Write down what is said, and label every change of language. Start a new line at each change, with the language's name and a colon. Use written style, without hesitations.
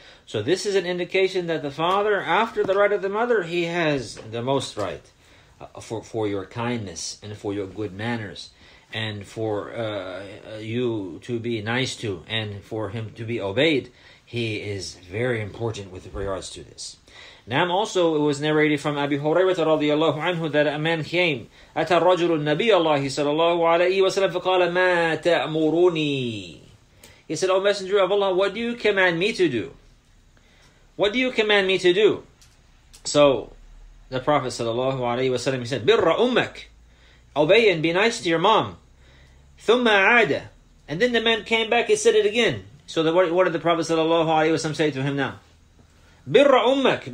English: So this is an indication that the father, after the right of the mother, he has the most right for your kindness and for your good manners and for you to be nice to and for him to be obeyed. He is very important with regards to this. Now, also, it was narrated from Abi Hurairah radiallahu anhu that a man came.
Arabic: أتى الرجل النبي الله صلى الله عليه وسلم فقال ما تأمروني.
English: He said, O Messenger of Allah, what do you command me to do? What do you command me to do? So the Prophet sallallahu alayhi wa sallam, he said,
Arabic: Birra ummak.
English: Obey and be nice to your mom.
Arabic: Thumma aada.
English: And then the man came back, he said it again. So the, what did the Prophet sallallahu alayhi wa sallam say to him now?
Arabic: Birra ummak.